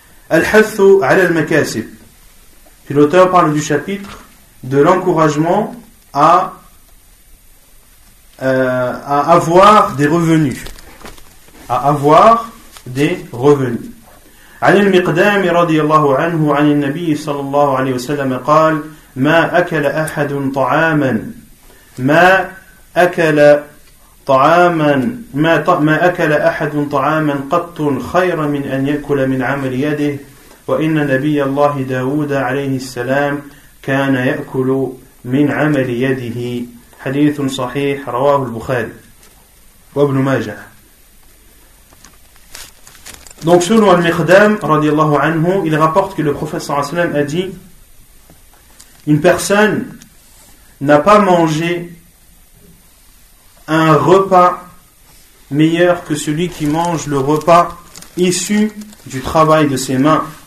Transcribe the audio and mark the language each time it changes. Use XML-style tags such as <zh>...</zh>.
<ar>الحث على المكاسب. في الأوتار قال في الشابتر</ar> <fr>de l'encouragement à à avoir des revenus, à avoir des revenus.</fr> <ar>عن المقدام رضي الله عنه عن النبي صلى الله عليه وسلم قال: ما أكل أحد طعاما ما أكل طعاما ما ما أكل أحد طعاما قط خير من أن يأكل من عمل يده. وإن نبي الله داود عليه السلام كان يأكل من عمل يده. حديث صحيح رواه البخاري وابن ماجه.</ar> <fr>Donc selon Al-Miqdam</fr> <ar>رضي الله عنه,</ar> <fr>il rapporte que le prophète</fr> <ar>صلى الله عليه وسلم</ar> <fr>a dit: une personne n'a pas mangé un repas meilleur que celui qui mange le repas issu du travail de ses mains.</fr>